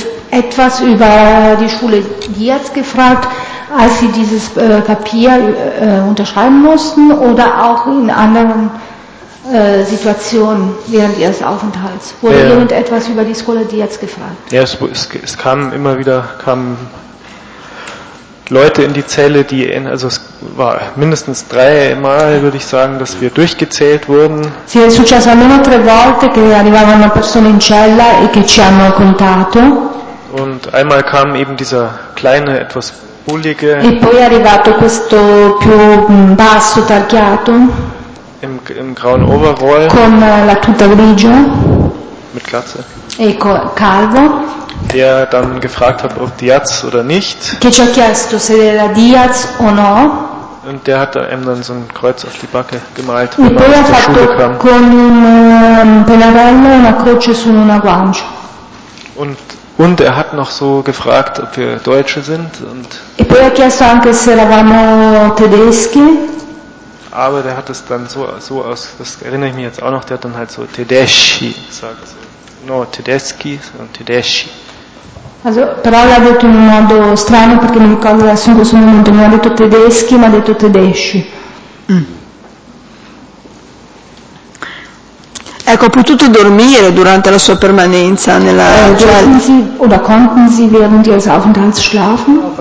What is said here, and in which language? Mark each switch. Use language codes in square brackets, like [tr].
[de] Etwas über die Schule Diaz gefragt, als sie dieses Papier unterschreiben mussten oder auch in anderen Situationen während ihres Aufenthalts? Wurde irgendetwas über die Schule Diaz gefragt? Ja, es kamen immer wieder Leute in die Zelle, also es war mindestens dreimal, würde ich sagen, dass wir durchgezählt wurden. [it] Sì, è successo almeno tre volte che arrivava una persona in cella e che ci hanno contato. [de] Und einmal kam eben dieser kleine, etwas bullige, [it] e poi è arrivato questo più basso tarchiato [de] im grauen Overall, [it] con la tuta grigia [de] mit Glatze, [it] e calvo, [de] der dann gefragt hat, ob Diaz oder nicht, [it] che ci ha chiesto se era Diaz o no, [de] und der hat ihm dann so ein Kreuz auf die Backe gemalt, [it] e poi ha fatto con un pennarello una croce su una guancia. [de] Und er hat noch so gefragt, ob wir Deutsche sind. Und [it] e poi ha chiesto anche se eravamo tedeschi. [de] Aber der hat es dann so aus, das erinnere ich mich jetzt auch noch, der hat dann halt so Tedeschi gesagt. No, Tedeschi, sondern Tedeschi. [it] Also, però l'ha detto in un modo strano, perché non ricordo adesso in questo momento, non ha detto tedeschi, ma ha detto Tedeschi. Ecco, ha potuto dormire durante la sua permanenza nella cella? [de] Oder konnten Sie während Ihres Aufenthalts schlafen?